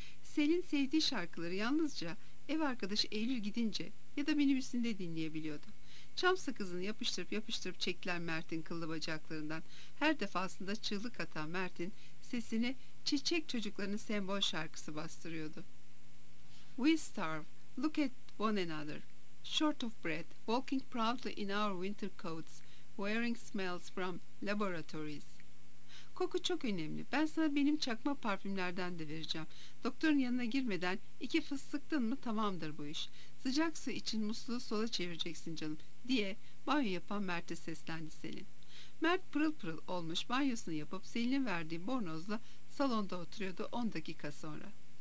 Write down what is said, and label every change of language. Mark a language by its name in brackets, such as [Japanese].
[Turkish] Selin sevdiği şarkıları yalnızca ev arkadaşı Eylül gidince ya da minibüsünde dinleyebiliyordu. Çam sakızını yapıştırıp yapıştırıp çekilen Mert'in kıllı bacaklarından her defasında çığlık atan Mert'in sesini çiçek çocuklarının sembol şarkısı bastırıyordu. [English] We starve, look at one another, short of breath, walking proudly in our winter coats, wearing smells from laboratories. [Turkish] Koku çok önemli. Ben sana benim çakma parfümlerden de vereceğim. Doktorun yanına girmeden iki fıs sıktın mı tamamdır bu iş. Sıcak su için musluğu sola çevireceksin canım, diye banyo yapan Mert'e seslendi Selin. Mert pırıl pırıl olmuş banyosunu yapıp Selin'in verdiği bornozla salonda oturuyordu 10 dakika sonra.